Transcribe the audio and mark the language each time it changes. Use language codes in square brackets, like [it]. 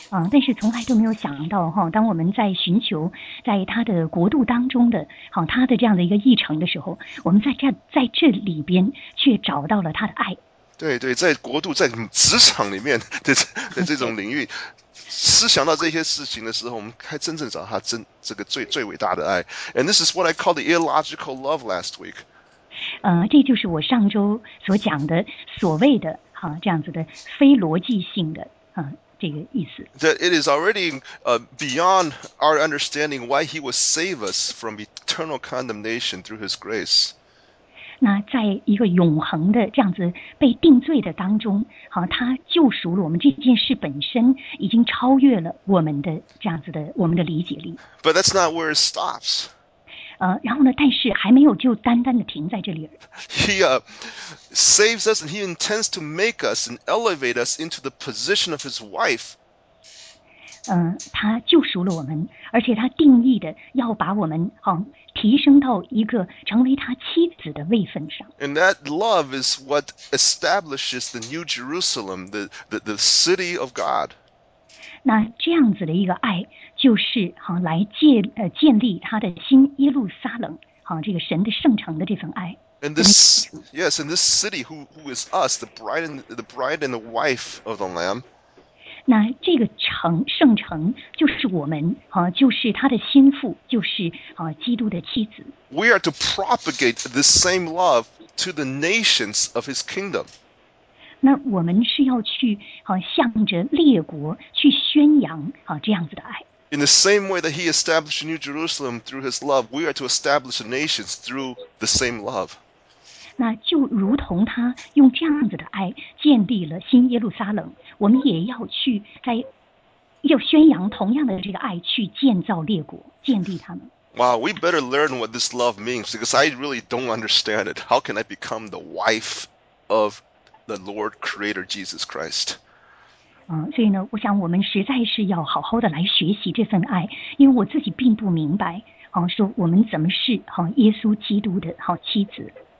[zh] 但是从来都没有想到哈，当我们在寻求在他的国度当中的哈他的这样的一个议程的时候，我们在这里边却找到了他的爱。对对，在国度在职场里面的这种领域。思想到这些事情的时候，我们还真正找到他真这个最最伟大的爱。 [en] And this is what I call the illogical love last week. [zh] 这就是我上周所讲的所谓的哈、这样子的非逻辑性的啊、这个意思。 [en] That it is already beyond our understanding why he would save us from eternal condemnation through his grace. [zh] 那在一个永恒的这样子被定罪的当中，好，他救赎了我们，这件事本身已经超越了我们的这样子的我们的理解力。 [en] But that's not where it stops. [zh] 然后呢？但是还没有就单单的停在这里。 [en] He saves us, and he intends to make us and elevate us into the position of his wife. [zh] 他救赎了我们，而且他定义的要把我们提升到一个成为他妻子的位分上。 [en] And that love is what establishes the New Jerusalem, the city of God. [zh] 那这样子的一个爱，就是来建立他的新耶路撒冷，这个神的圣城的这份爱。 [en] And this, yes, and this city, who is us, the bride and the wife of the Lamb. [zh] 那这个城圣城就是我们就是他的心腹，就是基督的妻子。 [en] We are to propagate the same love to the nations of his kingdom. [zh] 那我们是要去向着列国去宣扬这样子的爱。 [en] In the same way that he established New Jerusalem through his love, we are to establish the nations through the same love. [zh] 那就如同他用这样子的爱建立了新耶路撒冷，我们也要去在要宣扬同样的这个爱去建造列国，建立他们。 [en] Wow, we better learn what this love means, because I really don't understand it. How can I become the wife of the Lord Creator Jesus Christ? [zh] 所以呢，我想我们实在是要好好的来学习这份爱，因为我自己并不明白，说我们怎么是耶稣基督的妻子。